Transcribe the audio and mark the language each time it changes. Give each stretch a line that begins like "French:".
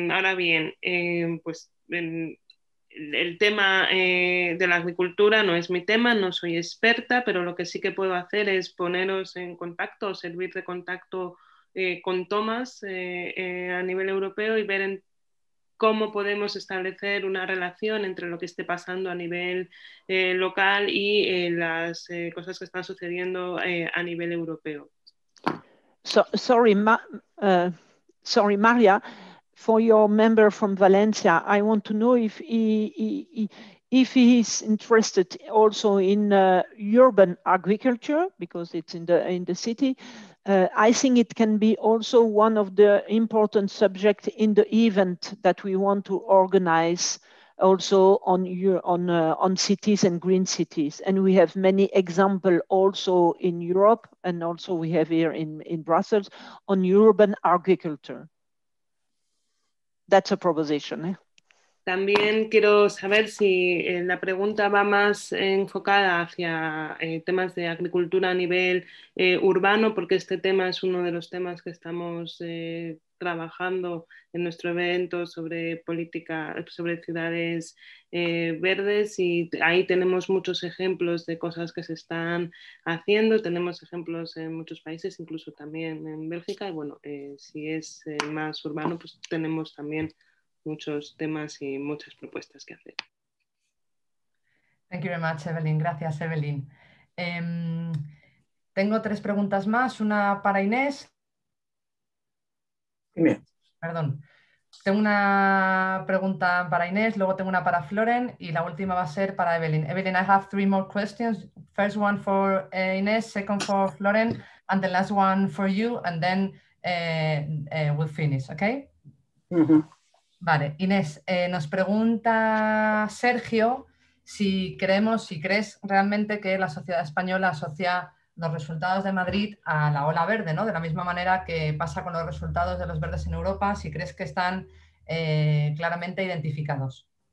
Spanish: Ahora bien, el tema de la agricultura no es mi tema, no soy experta, pero lo que sí que puedo hacer es poneros en contacto o servir de contacto con Thomas a nivel europeo y ver cómo podemos establecer una relación entre lo que esté pasando a nivel local y las cosas que están sucediendo a nivel europeo.
English: Sorry, Maria, for your member from Valencia, I want to know if he is interested also in urban agriculture, because it's in the city. I think it can be also one of the important subjects in the event that we want to organize also on cities and green cities. And we have many examples also in Europe, and also we have here in Brussels, on urban agriculture. That's a proposition.
Spanish: También quiero saber si la pregunta va más enfocada hacia temas de agricultura a nivel urbano, porque este tema es uno de los temas que estamos trabajando en nuestro evento sobre política, sobre ciudades verdes, y ahí tenemos muchos ejemplos de cosas que se están haciendo, tenemos ejemplos en muchos países, incluso también en Bélgica, y bueno, si es más urbano, pues tenemos también muchos temas y muchas propuestas que hacer.
English: Thank you very much, Evelyn.
Spanish: Gracias, Evelyn. Tengo tres preguntas más, una para Inés, Dime. Perdón. Tengo una pregunta para Inés, luego tengo una para Floren y la última va a ser para Evelyn.
English: Evelyn, I have three more questions. First one for Inés, second for Floren, and the last one for you, and then we'll finish, okay? Uh-huh.
Spanish: Vale, Inés, nos pregunta Sergio si creemos, si crees realmente que la sociedad española asocia los resultados de Madrid a la ola verde, ¿no? De la misma manera que pasa con los resultados de los verdes en Europa, si crees que están claramente identificados.